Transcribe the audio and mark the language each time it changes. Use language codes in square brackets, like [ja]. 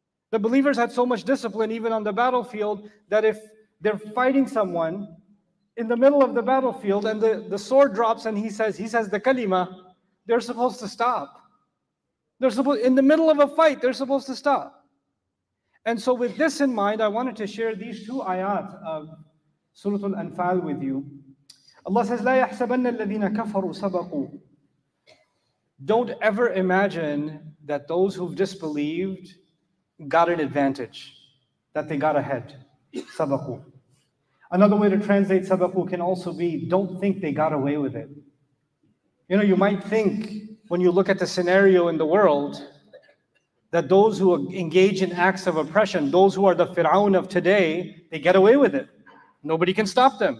[en] The believers had so much discipline even on the battlefield that if they're fighting someone in the middle of the battlefield and the sword drops and he says the kalima, they're supposed to stop. In the middle of a fight, they're supposed to stop. And so with this in mind, I wanted to share these two ayat of Surah Al-Anfal with you. [ar] Allah says, لَا يَحْسَبَنَّ الَّذِينَ كَفَرُوا سَبَقُوا. [en] Don't ever imagine that those who've disbelieved got an advantage, that they got ahead. [ar] سَبَقُوا. [en] Another way to translate سَبَقُوا can also be, don't think they got away with it. You know, you might think when you look at the scenario in the world, that those who engage in acts of oppression, those who are the Fir'aun of today, they get away with it. Nobody can stop them.